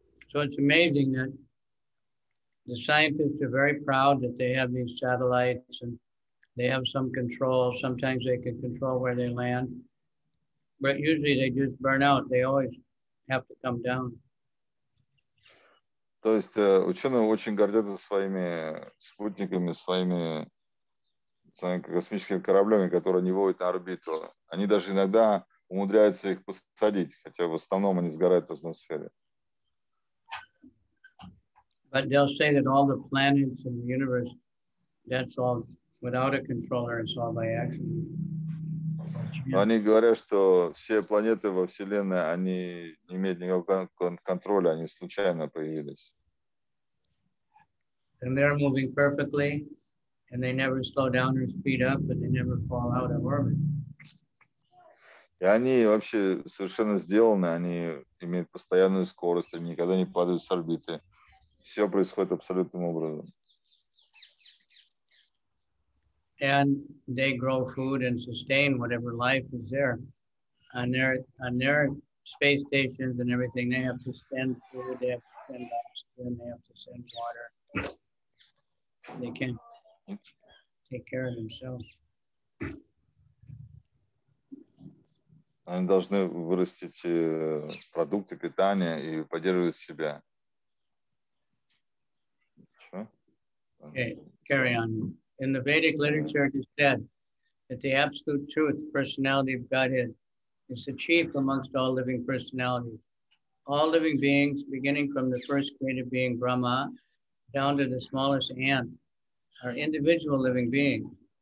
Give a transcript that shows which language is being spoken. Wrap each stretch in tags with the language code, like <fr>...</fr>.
<en>So it's amazing that the scientists are very proud that they have these satellites and they have some control. Sometimes they can control where they land, but usually they just burn out. They always have to come down.</en> <ru>То есть ученые очень гордятся своими спутниками, своими космическими кораблями, которые не выводят на орбиту. Они даже иногда умудряются их посадить, хотя в основном они сгорают в атмосфере.</ru> <en>But they'll say that all the planets in the universe, that's all without a controller, it's all by accident.</en> <ru>Они говорят, что все планеты во Вселенной, они не имеют никакого контроля, они случайно появились.</ru> <en>And they're moving perfectly, and they never slow down or speed up, and they never fall out of orbit.</en> <ru>И они вообще совершенно сделаны, они имеют постоянную скорость, они никогда не падают с орбиты. Все происходит абсолютным образом.</ru> <en>And they grow food and sustain whatever life is there. On their space stations and everything, they have to send food, they have to send oxygen, they have to send water. They can't take care of themselves.</en> <ru>Они должны вырастить продукты питания и поддерживать себя.</ru> <en>Okay, carry on. In the Vedic literature, it is said that the absolute truth, personality of Godhead, is the chief amongst all living personalities. All living beings, beginning from the first created being, Brahma, down to the smallest ant, are individual living beings.</en>